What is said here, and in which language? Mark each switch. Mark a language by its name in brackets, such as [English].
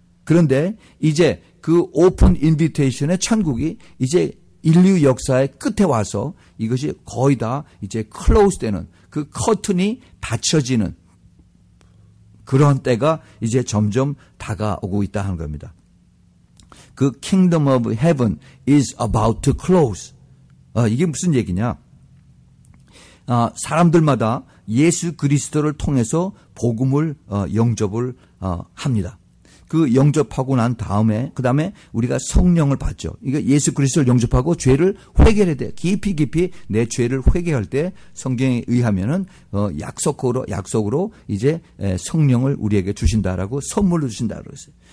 [Korean] 그런데 이제 그 오픈 인비테이션의 천국이 이제 인류 역사의 끝에 와서 이것이 거의 다 이제 클로즈 되는 그 커튼이 닫혀지는 그런 때가 이제 점점 다가오고 있다 하는 겁니다. [English] 그 kingdom of heaven is about to close. [Korean] 이게 무슨 얘기냐? 사람들마다 예수 그리스도를 통해서 복음을 영접을 합니다. 그 영접하고 난 다음에 그 다음에 우리가 성령을 받죠. 이거 예수 그리스도를 영접하고 죄를 회개해야 돼. 깊이 내 죄를 회개할 때 성경에 의하면은 약속으로 이제 성령을 우리에게 주신다라고 선물로 주신다라고 했어요.